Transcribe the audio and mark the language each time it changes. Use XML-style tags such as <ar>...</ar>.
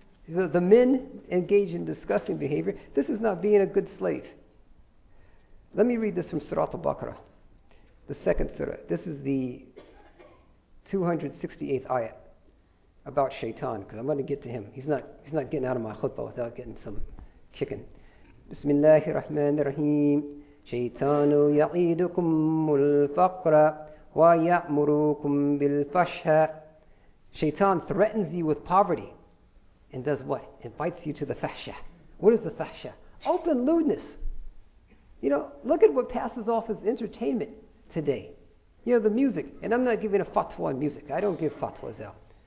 <en>The men engage in disgusting behavior. This is not being a good slave. Let me read this from Surah Al-Baqarah, the second surah. This is the 268th ayat about shaitan, because I'm going to get to him. He's not getting out of my khutbah without getting some kicking. Bismillahir Rahmanir Rahim.</en> <ar>شيطان يعيدكم الفقر ويأمركم بالفحشاء.</ar> <en>Shaitan threatens you with poverty and does what? Invites you to the fahsha. What is the fahsha? Open lewdness. You know, look at what passes off as entertainment today. You know, the music, and I'm not giving a fatwa on music. I don't give fatwas out.</en>